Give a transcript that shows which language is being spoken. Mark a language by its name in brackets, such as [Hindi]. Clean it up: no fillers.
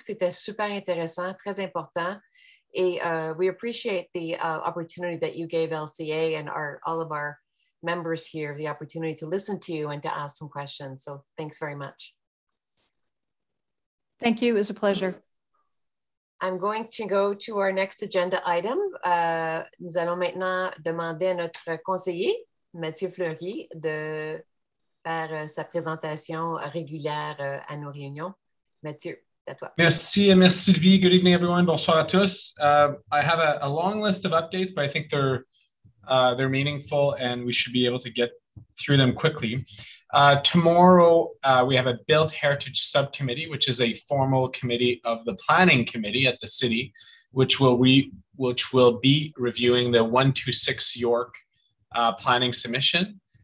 [French] C'était super intéressant, très important. [English] Et we appreciate the opportunity that you gave LCA and all of our members here the opportunity to listen to you and to ask some questions. So thanks very much. Thank you. It was a pleasure. I'm going to go to our next agenda item. [French] Nous allons maintenant demander à notre conseiller, Mathieu Fleury, de faire sa présentation régulière à nos réunions. Mathieu, à toi. Merci et merci Sylvie. [English] Good evening, everyone. [French] Bonsoir à tous. [English] I have a long list of updates, but I think they're meaningful and we should be able to get through them quickly. Tomorrow, we have a Built Heritage Subcommittee, which is a formal committee of the Planning Committee at the City, which will be reviewing the 126 York planning submission.